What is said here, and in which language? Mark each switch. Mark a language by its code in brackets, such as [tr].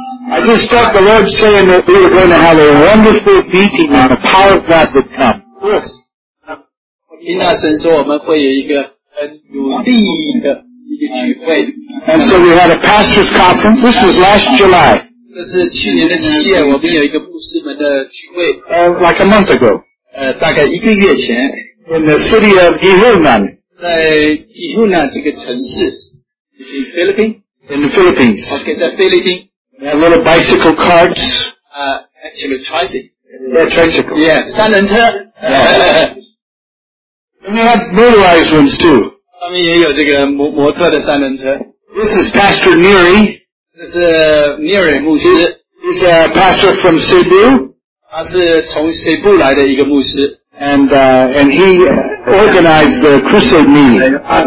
[en] I just felt the Lord saying that we were going to have a wonderful meeting and the power of God would come. Yes. [zh] 我听到神说我们会有一个很努力的一个聚会。 [en] And so we had a pastor's conference. This was last July. [zh] 这是去年的七月我们有一个牧师们的聚会。 [en] Like a month ago. [zh] 大概一个月前。 [en] In the city of Gihunan. [zh] 在Gihunan这个城市。 [en] Is it in Philippines? In the Philippines. Okay, the Philippines. They have little bicycle carts. Actually, tricycle. Yeah, tricycle. [zh] Yeah, 三轮车. [en] Yeah. And they have motorized ones too. [zh] 他们也有这个摩托的三轮车. [en] This is Pastor Neary. This is Neary 牧师. He's a pastor from Cebu. [zh] 他是从Cebu来的一个牧师. [en] And he organized the crusade meeting.